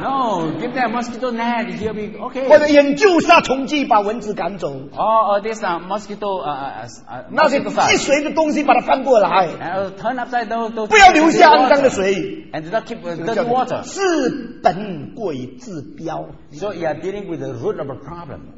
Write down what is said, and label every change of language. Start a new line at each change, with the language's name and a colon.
English: No, give that mosquito net, he'll be okay.
Chinese: 或者用救杀虫剂把蚊子赶走。那些一水的东西把它翻过来。
English: Turn upside down,
Chinese: 不要留下肮脏的水。
English: And not keep dirty water.
Chinese: 治本过于治标。
English: So you are dealing with the root of a problem.